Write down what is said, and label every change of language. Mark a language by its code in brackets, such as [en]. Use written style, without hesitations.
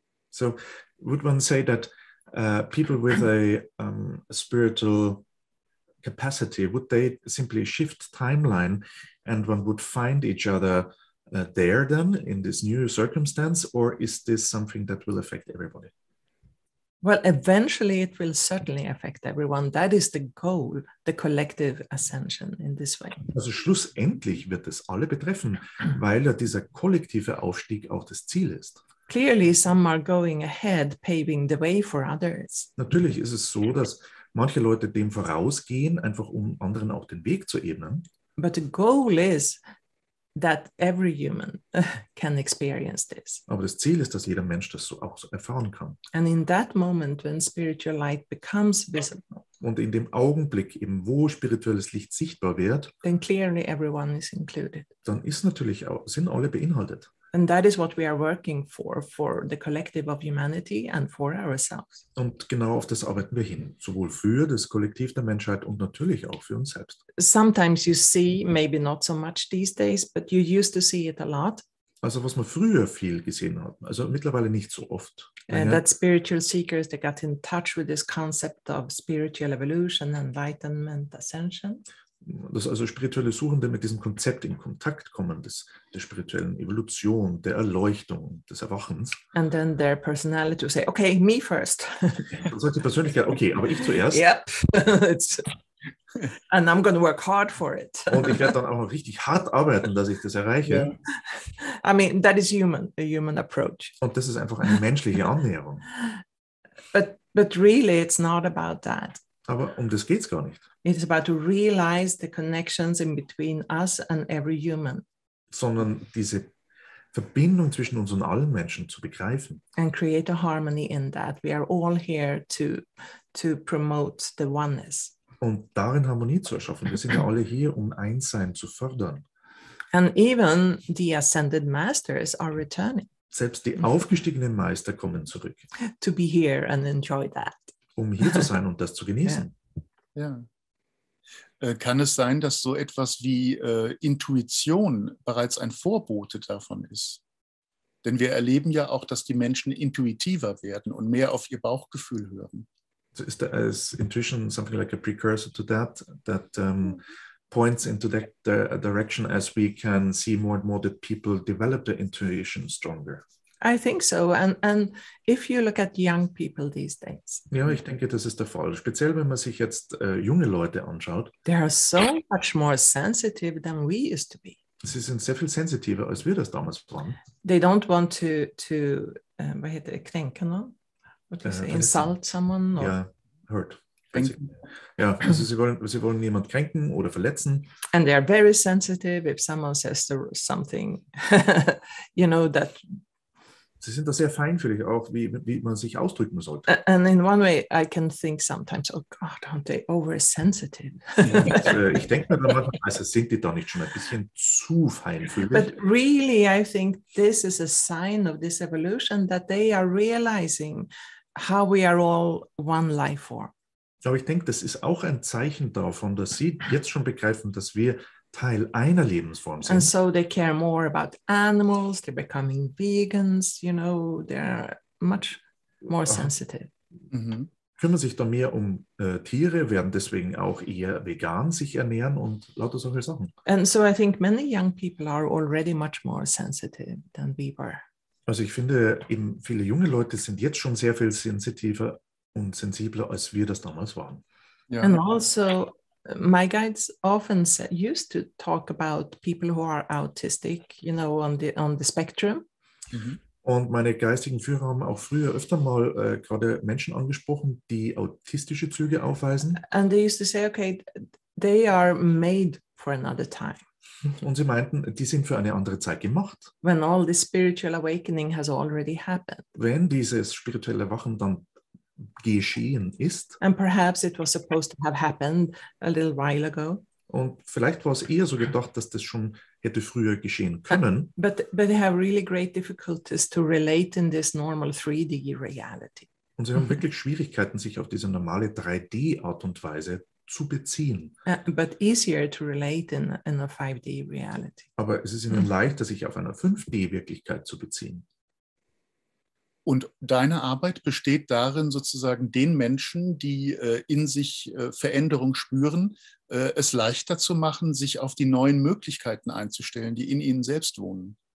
[en] So, would one say that people with a spiritual capacity, would they simply shift timeline and one would find each other there then in this new circumstance, or is this something that will affect everybody? Well, eventually it will certainly affect everyone. That is the goal, the collective ascension in this way. [de] Also schlussendlich wird es alle betreffen, weil ja dieser kollektive Aufstieg auch das Ziel ist. [en] Clearly some are going ahead, paving the way for others. [de] Natürlich ist es so, dass manche Leute dem vorausgehen, einfach um anderen auch den Weg zu ebnen. [en] But the goal is that every human can experience this. [de] Aber das Ziel ist, dass jeder Mensch das so auch erfahren kann. [en] And in that moment when spiritual light becomes visible. [de] Und in dem Augenblick, eben wo spirituelles Licht sichtbar wird, [en] then clearly everyone is included. [de] Dann ist natürlich auch, sind alle beinhaltet. [en] And that is what we are working for the collective of humanity and for ourselves. [de] Und genau auf das arbeiten wir hin, sowohl für das Kollektiv der Menschheit und natürlich auch für uns selbst. [en] Sometimes you see, maybe not so much these days, but you used to see it a lot. [de] Also was man früher viel gesehen hat, also mittlerweile nicht so oft. [en] That spiritual seekers, they got in touch with this concept of spiritual evolution, enlightenment, ascension. [de] Dass also spirituelle Suchende mit diesem Konzept in Kontakt kommen, der spirituellen Evolution, der Erleuchtung, des Erwachens. [en] And then their personality will say, okay, me first. [de] Also die Persönlichkeit, okay, aber ich zuerst. [en] Yep. And I'm going to work hard for it. [de] Und ich werde dann auch richtig hart arbeiten, dass ich das erreiche. [en] Yeah. I mean, that is human, a human approach. [de] Und das ist einfach eine menschliche Annäherung. [en] But really, it's not about that. [de] Aber um das geht's gar nicht. [en] It's about to realize the connections in between us and every human. [de] Sondern diese Verbindung zwischen uns und allen Menschen zu begreifen. [en] And create a harmony in that. We are all here to promote the oneness. [de] Und darin Harmonie zu erschaffen. Wir sind ja alle hier, um Einssein zu fördern. [en] And even the ascended masters are returning. [de] Selbst die aufgestiegenen Meister kommen zurück. [en] To be here and enjoy that. [de] Um hier zu sein und das zu genießen. Ja. Ja. Kann es sein, dass so etwas wie Intuition bereits ein Vorbote davon ist? Denn wir erleben ja auch, dass die Menschen intuitiver werden und mehr auf ihr Bauchgefühl hören. [en] So is intuition something like a precursor to that, that points into that direction as we can see more and more that people develop their intuition stronger? I think so, and if you look at young people these days. [de] Ja, ich denke, das ist der Fall. Speziell wenn man sich jetzt junge Leute anschaut. [en] They are so much more sensitive than we used to be. [de] Sie sind sehr viel sensitiver als wir das damals waren. [en] They don't want to what [de] heißt das? Kränken, [en] no? What do you say? Insult someone? Ja, yeah, hurt. [de] Ja, also sie wollen niemand kränken oder verletzen. [en] And they are very sensitive if someone says something, you know that. [de] Sie sind da sehr feinfühlig, auch wie man sich ausdrücken sollte. [en] And in one way, I can think sometimes, oh God, aren't they oversensitive? [de] Ich denke mir dann manchmal, also sind die da nicht schon ein bisschen zu feinfühlig? [en] But really, I think this is a sign of this evolution, that they are realizing how we are all one life form. [de] Aber ich denke, das ist auch ein Zeichen davon, dass sie jetzt schon begreifen, dass wir Teil einer Lebensform sind. [en] And so they care more about animals, they're becoming vegans, you know, they're much more sensitive. Mm-hmm. [de] Kümmern sich da mehr um Tiere, werden deswegen auch eher vegan sich ernähren und lauter solche Sachen. [en] And so I think many young people are already much more sensitive than we were. [de] Also ich finde, eben viele junge Leute sind jetzt schon sehr viel sensitiver und sensibler, als wir das damals waren. [en] Yeah. And also my guides often used to talk about people who are autistic, you know, on the spectrum. [de] Und meine geistigen Führer haben auch früher öfter mal gerade Menschen angesprochen, die autistische Züge aufweisen. [en] And they used to say, okay, they are made for another time. [de] Und sie meinten, die sind für eine andere Zeit gemacht. [en] When all this spiritual awakening has already happened. [de] Wenn dieses spirituelle Erwachen dann geschehen ist. [en] And perhaps it was supposed to have happened a little while ago. [de] Und vielleicht war es eher so gedacht, dass das schon hätte früher geschehen können. [en] But they have really great difficulties to relate in this normal 3D reality. [de] Und sie haben wirklich Schwierigkeiten, sich auf diese normale 3D Art und Weise zu beziehen. [en] But easier to relate in a 5D reality. [de] Aber es ist ihnen leichter, sich auf einer 5D Wirklichkeit zu beziehen. Und deine Arbeit besteht darin, sozusagen den Menschen, die in sich Veränderung spüren, es leichter zu machen, sich auf die neuen Möglichkeiten einzustellen, die in ihnen selbst wohnen.